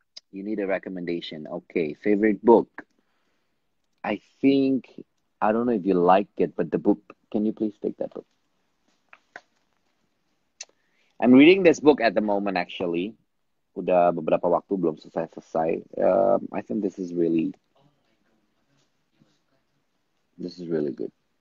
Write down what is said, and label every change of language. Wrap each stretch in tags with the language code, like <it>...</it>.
<en>You need a recommendation. Okay, favorite book. I think, I don't know if you like it, but the book, can you please take that book? I'm reading this book at the moment, actually.</en> <id>Udah beberapa waktu, belum selesai-selesai.</id> <en>I think this is really good.</en>